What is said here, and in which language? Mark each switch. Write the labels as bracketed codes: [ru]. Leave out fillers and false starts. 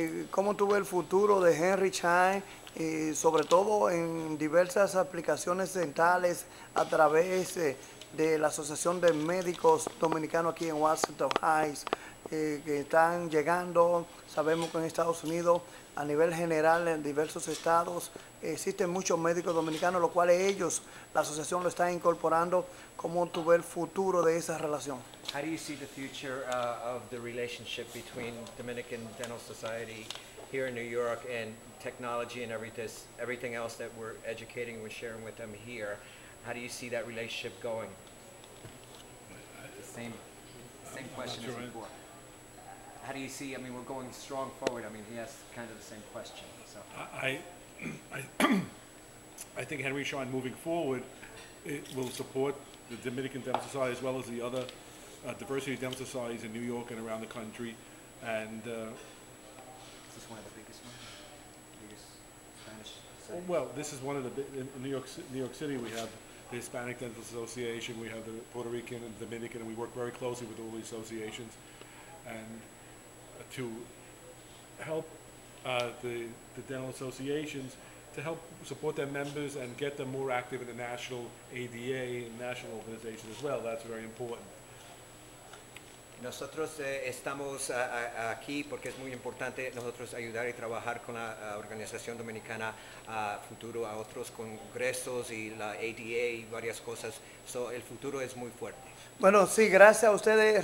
[es] ¿Cómo tú ves el futuro de Henry Chan, sobre todo en diversas aplicaciones dentales a través de la Asociación de Médicos Dominicanos aquí en Washington Heights, que están llegando? Sabemos que en Estados Unidos, a nivel general, en diversos estados, existen muchos médicos dominicanos, lo cual ellos, la asociación, lo está incorporando. ¿Cómo tú ves el futuro de esa relación? [en] How do you see the future of the relationship between Dominican Dental Society here in New York and technology and everything else that we're educating and we're sharing with them here? How do you see that relationship going? Same question as before. How do you see, I mean, we're going strong forward. I mean, he asked kind of the same question. So I think Henry Shine moving forward, it will support the Dominican Dental Society as well as the other diversity dental societies in New York and around the country. And is this one of the biggest ones? Biggest Spanish society? Well, this is one of the in New York City, we have the Hispanic Dental Association, we have the Puerto Rican and Dominican, and we work very closely with all the associations. And to help the dental associations, to help support their members and get them more active in the national ADA and national organization as well. That's very important. [es] Nosotros estamos aquí porque es muy importante nosotros ayudar y trabajar con la organización dominicana a futuro, a otros congresos y la ADA y varias cosas. [en] So [es] el futuro es muy fuerte. Bueno, sí, gracias a ustedes.